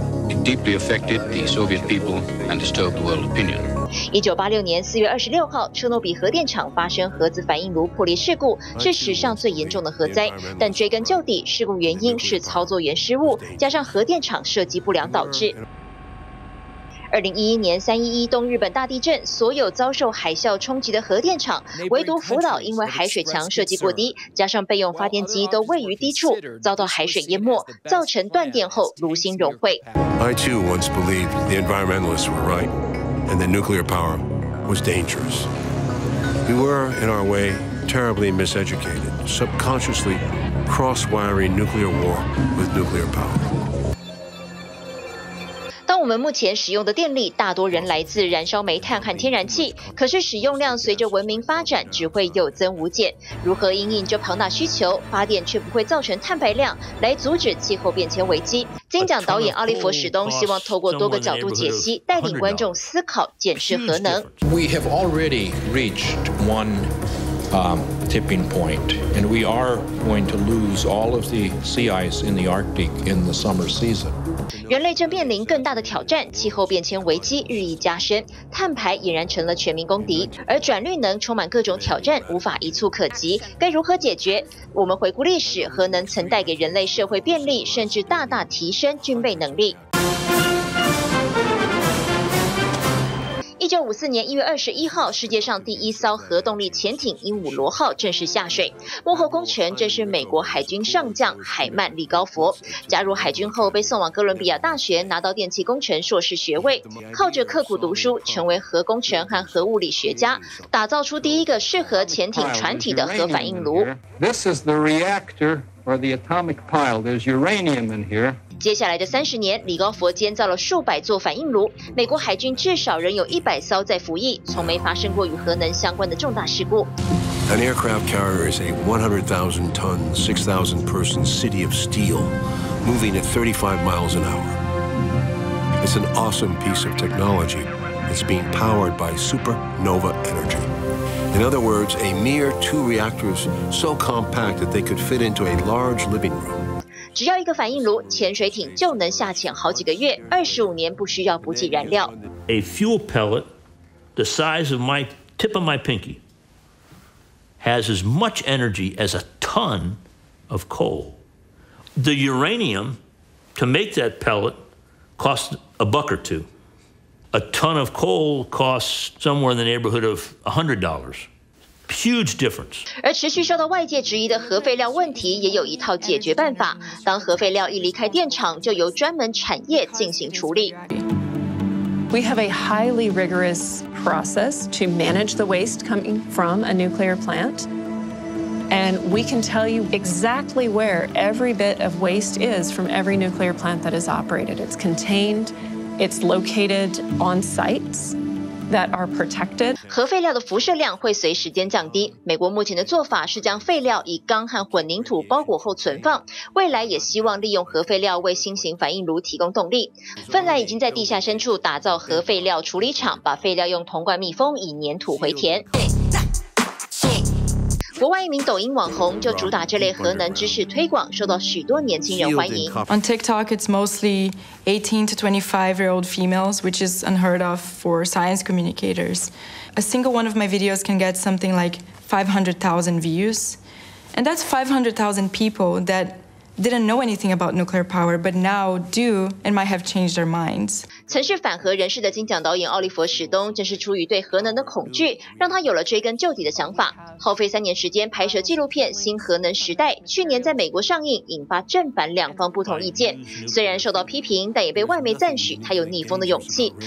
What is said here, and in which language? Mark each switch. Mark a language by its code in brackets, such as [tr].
[en] It deeply affected the Soviet people and disturbed world opinion. [zh] 1986年4月26号，车诺比核电厂发生核子反应炉破裂事故，是史上最严重的核灾。但追根究底，事故原因是操作员失误，加上核电厂设计不良导致。 2011年3.11东日本大地震，所有遭受海啸冲击的核电厂，唯独福岛因为海水墙设计过低，加上备用发电机都位于低处，遭到海水淹没，造成断电后炉心熔毁。 [en] I too once believed the environmentalists were right. And that nuclear power was dangerous. We were, in our way, terribly miseducated, subconsciously cross-wiring nuclear war with nuclear power. [zh] 当我们目前使用的电力大多仍来自燃烧煤炭和天然气，可是使用量随着文明发展只会有增无减。如何因应这庞大需求，发电却不会造成碳排量，来阻止气候变迁危机？金奖导演奥利弗·史东希望透过多个角度解析，带领观众思考检视核能。 [en] We have already reached one tipping point, and we are going to lose all of the sea ice in the Arctic in the summer season. [zh] 人类正面临更大的挑战，气候变迁危机日益加深，碳排俨然成了全民公敌，而转绿能充满各种挑战，无法一蹴可及，该如何解决？我们回顾历史，核能曾带给人类社会便利，甚至大大提升军备能力。 1954年1月21号，世界上第一艘核动力潜艇鹦鹉螺号正式下水，幕后功臣正是美国海军上将海曼利高佛。加入海军后被送往哥伦比亚大学拿到电气工程硕士学位，靠着刻苦读书成为核工程和核物理学家，打造出第一个适合潜艇船体的核反应炉。 [en] This is the reactor or the atomic pile. There's uranium in here. [zh] 接下来的30年，李高佛建造了数百座反应炉，美国海军至少仍有100艘在服役，从没发生过与核能相关的重大事故。 [en] An aircraft carrier is a 100,000-ton, 6,000-person city of steel, moving at 35 miles an hour. It's an awesome piece of technology. It's being powered by supernova energy. In other words, a mere 2 reactors so compact that they could fit into a large living room. [zh] 只要一个反应炉，潜水艇就能下潜好几个月，25年不需要补给燃料。 [en] A fuel pellet the size of my tip of my pinky has as much energy as a ton of coal. The uranium to make that pellet costs $1 or $2. A ton of coal costs somewhere in the neighborhood of $100. Huge difference. [zh] 而持续受到外界质疑的核废料问题也有一套解决办法。当核废料一离开电厂，就由专门产业进行处理。 [en] We have a highly rigorous process to manage the waste coming from a nuclear plant. And we can tell you exactly where every bit of waste is from every nuclear plant that is operated. It's contained, it's located on sites. That are protected. [zh] 核废料的辐射量会随时间降低。美国目前的做法是将废料以钢和混凝土包裹后存放，未来也希望利用核废料为新型反应炉提供动力。芬兰已经在地下深处打造核废料处理厂，把废料用铜罐密封，以粘土回填。国外一名抖音网红就主打这类核能知识推广，受到许多年轻人欢迎。 [en] On TikTok, it's mostly 18 to 25-year-old females, which is unheard of for science communicators. A single one of my videos can get something like 500,000 views, and that's 500,000 people that didn't know anything about nuclear power, but now do and might have changed their minds. [zh] 曾是反核人士的金奖导演奥利弗·史东，正是出于对核能的恐惧，让他有了追根究底的想法。耗费3年时间拍摄纪录片《新核能时代》，去年在美国上映，引发正反两方不同意见。虽然受到批评，但也被外媒赞许他有逆风的勇气。